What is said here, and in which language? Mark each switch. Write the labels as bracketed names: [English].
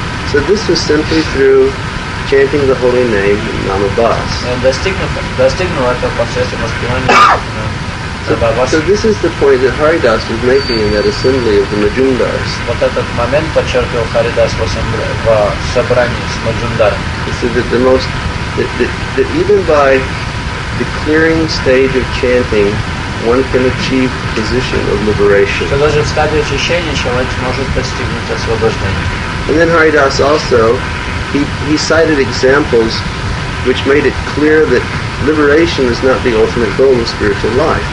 [English] So this was simply through chanting the holy name Namabhas. So this is the point that Haridas was making in that assembly of the Majumdars. [Russian] Вот этот момент подчеркивал Харидас в собрании с Маджундарами. [English] He said that even by the clearing stage of chanting, one can achieve the position of liberation. And then Haridas also, he cited examples which made it clear that liberation is not the ultimate goal of spiritual life.